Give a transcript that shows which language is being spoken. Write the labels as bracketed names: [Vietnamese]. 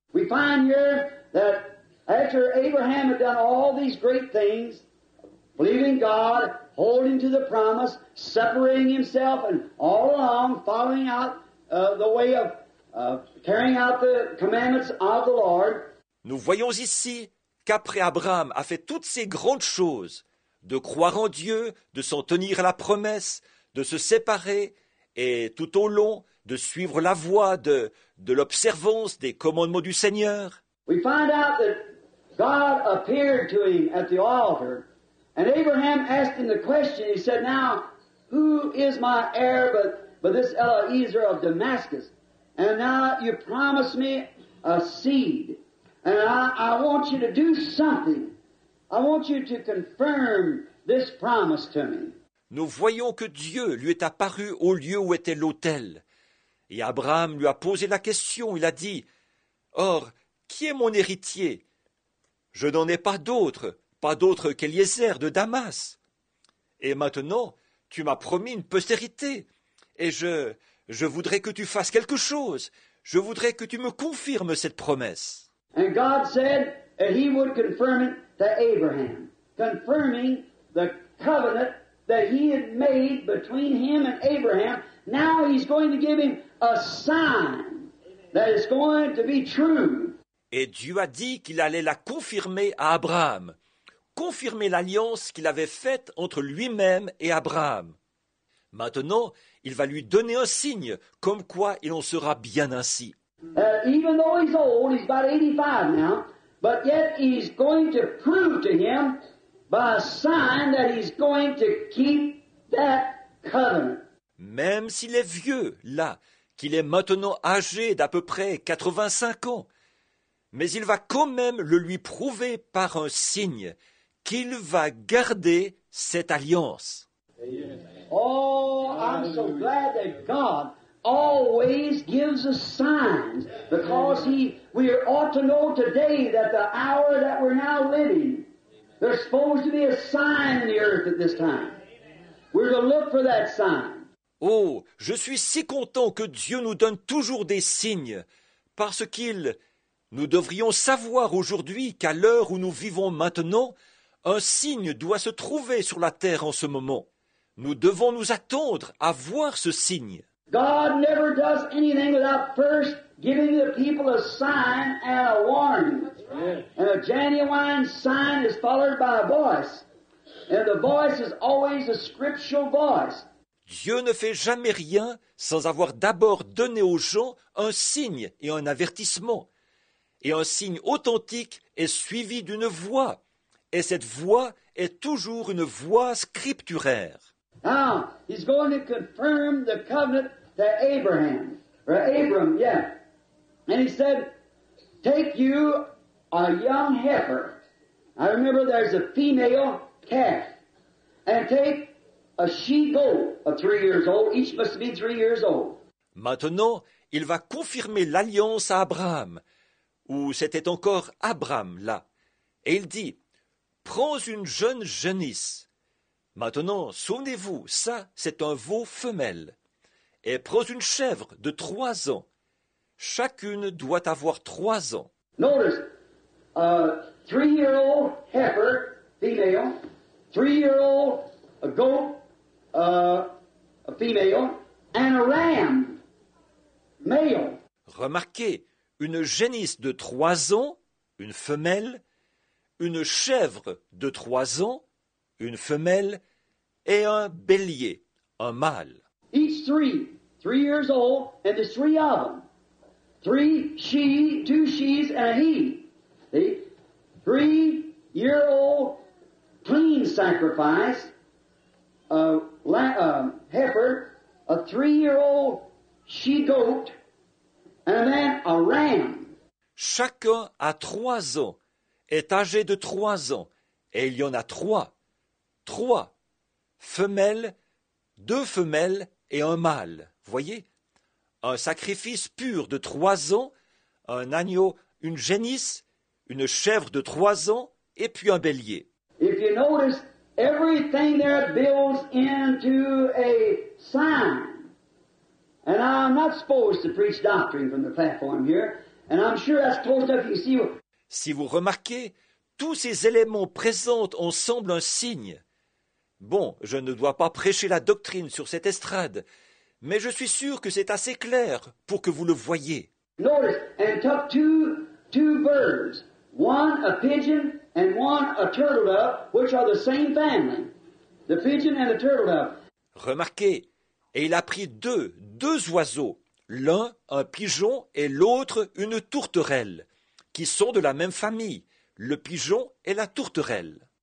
[English] We find here that after Abraham had done all these great things, believing God, holding to the promise, separating himself, and all along following out the way of carrying out the commandments of the Lord. [French] Nous voyons ici qu'après Abraham a fait toutes ces grandes choses, de croire en Dieu, de s'en tenir à la promesse, de se séparer, et tout au long, de suivre la voie de l'observance des commandements du Seigneur. [English] We find out that God appeared to him at the altar, and Abraham asked him the question. He said, now, who is my heir but this Eliezer of Damascus? And now you promised me a seed, and I want you to do something. I want you to confirm this promise to me. [French] Nous voyons que Dieu lui est apparu au lieu où était l'autel. Et Abraham lui a posé la question. Il a dit, « Or, qui est mon héritier ? Je n'en ai pas d'autre qu'Éliézer de Damas. Et maintenant, tu m'as promis une postérité. Et je voudrais que tu fasses quelque chose. Je voudrais que tu me confirmes cette promesse. » [English] And God said that he would confirm it to Abraham, confirming the covenant that he had made between him and Abraham. Now he's going to give him a sign that is going to be true. [French] Et Dieu a dit qu'il allait la confirmer à Abraham, confirmer l'alliance qu'il avait faite entre lui-même et Abraham. Maintenant, il va lui donner un signe, comme quoi il en sera bien ainsi. [English] Even though he's old, he's about 85 now, but yet he's going to prove to him by a sign that he's going to keep that covenant. [French] Même s'il est vieux, là, qu'il est maintenant âgé d'à peu près 85 ans, mais il va quand même le lui prouver par un signe qu'il va garder cette alliance. [English] Amen. Oh, I'm so glad that God always gives us signs, because we ought to know today that the hour that we're now living, there's supposed to be a sign in the earth at this time. We're going to look for that sign. [French] Oh, je suis si content que Dieu nous donne toujours des signes, parce qu'il nous devrions savoir aujourd'hui qu'à l'heure où nous vivons maintenant, un signe doit se trouver sur la terre en ce moment. Nous devons nous attendre à voir ce signe. [English] God never does anything without first giving the people a sign and a warning. And a genuine sign is followed by a voice. And the voice is always a scriptural voice. [French] Dieu ne fait jamais rien sans avoir d'abord donné aux gens un signe et un avertissement. Et un signe authentique est suivi d'une voix. Et cette voix est toujours une voix scripturaire. [English] Now, he's going to confirm the covenant to Abraham. Or Abram, yeah. And he said, take you a young heifer. I remember there's a female calf. And take a she-goat of 3 years old, each must be 3 years old. [French] Maintenant, il va confirmer l'alliance à Abraham, où c'était encore Abraham là. Et il dit, prends une jeune jeunisse. Maintenant, souvenez-vous, ça, c'est un veau femelle. Et prends une chèvre de 3 ans. Chacune doit avoir 3 ans. [English] Notice, a three-year-old heifer, female, three-year-old goat, a female, and a ram, male. [French] Remarquez, une jeunisse de 3 ans, une femelle, une chèvre de 3 ans, une femelle, et un bélier, un mâle. [English] Each three years old, and there's three of them. Three she, two she's, and a he. See? 3-year-old clean sacrifice. A heifer, a three-year-old she-goat, And then a ram. [French] Chacun a trois ans, est âgé de trois ans, et il y en a trois. Trois femelles, deux femelles et un mâle. Voyez, un sacrifice pur de trois ans, un agneau, une génisse, une chèvre de trois ans, et puis un bélier. [English] If you notice, everything there builds into a sign. And I'm not supposed to preach doctrine from the platform here. And I'm sure that's close enough, you see. [French] Si vous remarquez, tous ces éléments présentent ensemble un signe. Bon, je ne dois pas prêcher la doctrine sur cette estrade, mais je suis sûr que c'est assez clair pour que vous le voyez. [English] Notice, and took two birds, one a pigeon and one a turtle dove, which are the same family, the pigeon and the turtle dove. [French] Remarquez, et il a pris deux oiseaux, l'un un pigeon et l'autre une tourterelle, qui sont de la même famille, le pigeon et la tourterelle.